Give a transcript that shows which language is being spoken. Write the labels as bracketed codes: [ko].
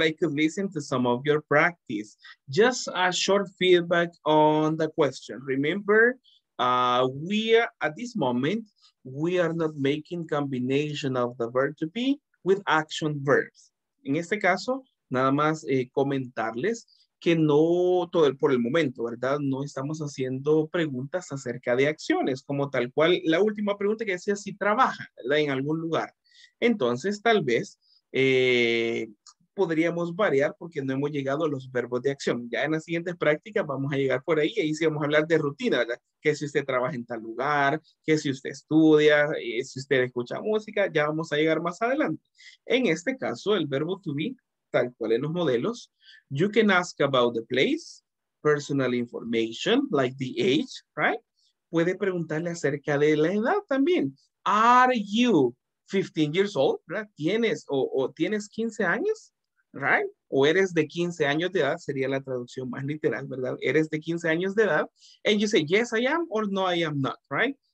[en] I could listen to some of your practice. Just a short feedback on the question. Remember, we are not making combination of the verb to be with action verbs. [es] En este caso, nada más comentarles que no, todo por el momento, ¿verdad? No estamos haciendo preguntas acerca de acciones, como tal cual la última pregunta que decía si trabaja, ¿verdad? En algún lugar. Entonces, tal vez podríamos variar porque no hemos llegado a los verbos de acción. Ya en las siguientes prácticas vamos a llegar por ahí y ahí sí vamos a hablar de rutina, ¿verdad? Que si usted trabaja en tal lugar, que si usted estudia, si usted escucha música, ya vamos a llegar más adelante. [en] En este caso, el verbo to be, tal cual en los modelos, you can ask about the place, personal information, like the age, right? [es] Puede preguntarle acerca de la edad también. Are you 15 years old, right? ¿Tienes o tienes 15 años, right? O eres de 15 años de edad, sería la traducción más literal, ¿verdad? Eres de 15 años de edad. [en] And you say, yes, I am, or no, I am not, right?